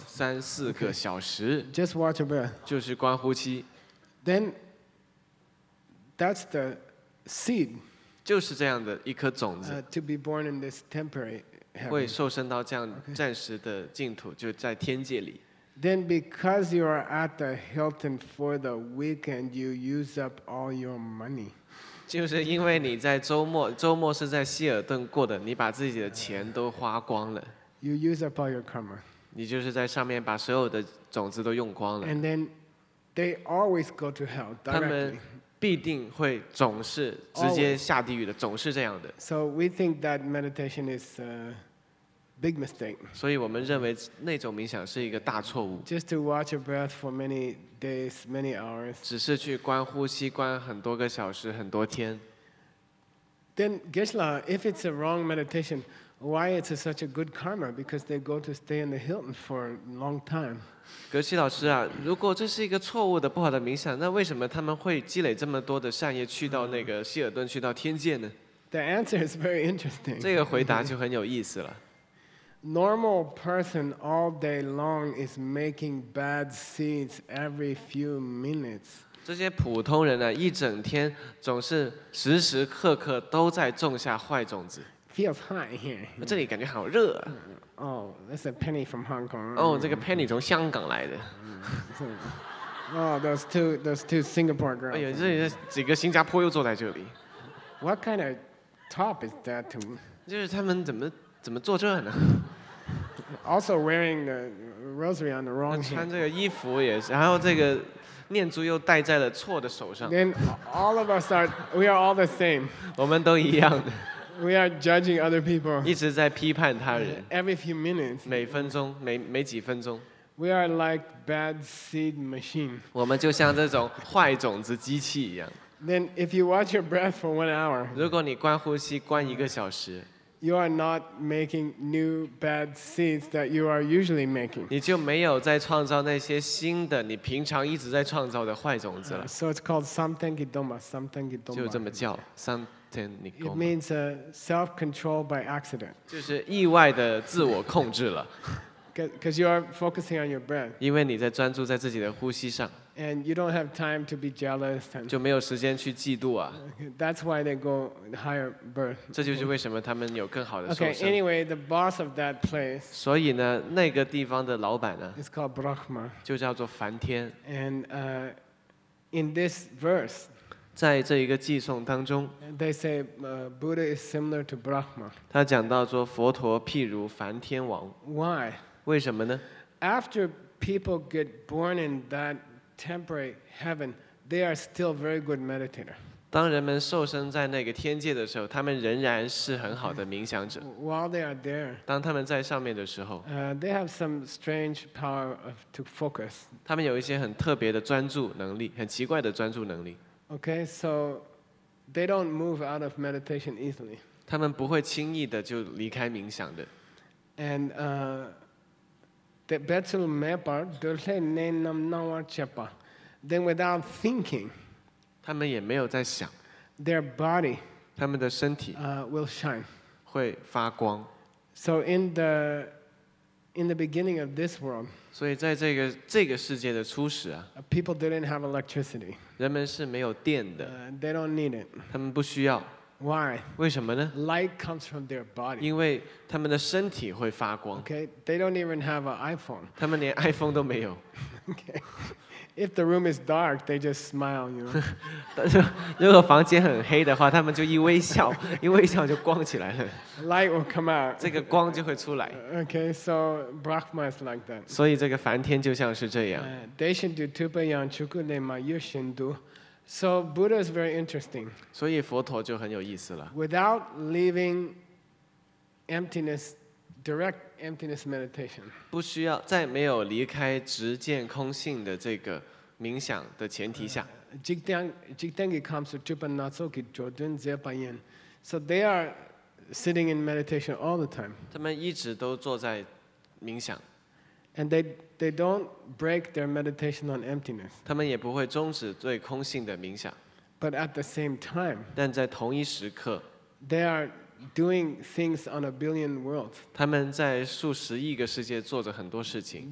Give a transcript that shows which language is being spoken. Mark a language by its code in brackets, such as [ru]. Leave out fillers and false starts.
[zh] 三四个小时。 [en] Just watch your breath. [zh] 就是观呼吸。 [en] Then, that's the seed. [zh] 就是这样的一颗种子。 [en] To be born in this temporary. [zh] 会受生到这样暂时的净土，就在天界里。 [en] Then because you are at the Hilton for the weekend, you use up all your money. [zh] 就是因为你在周末是在希尔顿过的，你把自己的钱都花光了。 [en] You use up all your karma. [zh] 你就是在上面把所有的种子都用光了。 [en] And then they always go to hell directly. [zh] 他们必定会总是直接下地狱的，总是这样的。 [en] So we think that meditation is a big mistake. [zh] 所以我们认为那种冥想是一个大错误。 [en] Just to watch your breath for many days, many hours. [zh] 只是去观呼吸，观很多个小时，很多天。 [en] Then Geshe-la, if it's a wrong meditation, why it's such a good karma? Because they go to stay in the Hilton for a long time. [zh] 格西老师啊，如果这是一个错误的不好的冥想，那为什么他们会积累这么多的善业去到那个希尔顿，去到天界呢？ [en] The answer is very interesting. [zh] 这个回答就很有意思了。 [en] Normal person all day long is making bad seeds every few minutes. [zh] 这些普通人呢，一整天总是时时刻刻都在种下坏种子。 [en] Feels hot here. [zh] 这里感觉好热啊。 [en] Oh, that's a penny from Hong Kong. [zh] Oh, 这个 penny 从香港来的。 [en] Oh, those two Singapore girls. [zh] 哎呦，这几个新加坡又坐在这里。 [en] What kind of top is that to? [zh] 就是他们怎么坐这呢？ [en] Also wearing the rosary on the wrong hand. [zh] 穿这个衣服也是，然后这个念珠又戴在了错的手上。 [en] Then all of us are, we are all the same. [zh] 我们都一样的。 [en] We are judging other people. [zh] 一直在批判他人。 [en] Every few minutes. [zh] 每分钟，每几分钟。 [en] We are like bad seed machine. [zh] 我们就像这种坏种子机器一样。 [en] Then if you watch your breath for 1 hour. [zh] 如果你观呼吸观一个小时。 [en] You are not making new bad seeds that you are usually making. [zh] 你就没有在创造那些新的你平常一直在创造的坏种子了。 [en] So it's called Samtenki Dhamma. Samtenki Dhamma. [zh] 就这么叫三。 [en] It means a self-control by accident. [zh] 就是意外的自我控制了。 [en] Because you are focusing on your breath. [zh] 因为你在专注在自己的呼吸上。 [en] And you don't have time to be jealous. [zh] 就没有时间去嫉妒啊。 [en] That's why they go higher birth. [zh] 这就是为什么他们有更好的受生。 [en] Okay, anyway, the boss of that place. [zh] 所以呢，那个地方的老板呢 [en] ？It's called Brahma. [zh] 就叫做梵天。 [en] And in this verse. [zh] 在这一个寄送当中 [en] they say, Buddha is similar to Brahma. [zh] 他讲到说佛陀譬如梵天王 [en] Why? [zh] 为什么呢 [en] After people get born in that temporary heaven, they are still very good meditators. [zh] 当人们受生在那个天界的时候他们仍然是很好的冥想者 [en] While they are there, [zh] 当他们在上面的时候 [en] they have some strange power to focus. [zh] 他们有一些很特别的专注能力很奇怪的专注能力 [en] Okay, so they don't move out of meditation easily. [zh] 他们不会轻易的就离开冥想的。 And the battle map dole ne nam nawa chepa. [en] Then without thinking, [zh] 他们也没有在想, [en] their body, [zh] 他们的身体, [en] will shine, [zh] 会发光。 [en] So in the beginning of this world, [zh] 所以在这个世界的初始啊, [en] people didn't have electricity, [zh] 人们是没有电的, [en] they don't need it, [zh] 他们不需要。 [en] Why? [zh] 为什么呢? [en] Light comes from their body. [zh] 因为他们的身体会发光。 [en] Okay, they don't even have an iPhone. [zh] 他们连 iPhone 都没有。 [en] Okay, if the room is dark, they just smile, you know. [zh] 如果房间很黑的话，他们就一微笑，一微笑就光起来了。 [en] Light will come out. [zh] 这个光就会出来。 [en] Okay, so Brahma is like that. [zh] 所以这个梵天就像是这样。 [en] They should do tupayang chukune ma yushindu. So Buddha is very interesting. [zh] 所以佛陀就很有意思了。 [en] Without leaving emptiness, direct emptiness meditation. [zh] 不需要在没有离开直见空性的这个冥想的前提下。 Jigdengi comes to Trupan Natsoki Jodun Zepayin. [en] So they are sitting in meditation all the time. [zh] 他们一直都坐在冥想。 [en] And they don't break their meditation on emptiness. [zh] 他们也不会终止对空性的冥想。 [en] But at the same time, [zh] 但在同一时刻, [en] they are doing things on a billion worlds. [zh] 他们在数十亿个世界做着很多事情。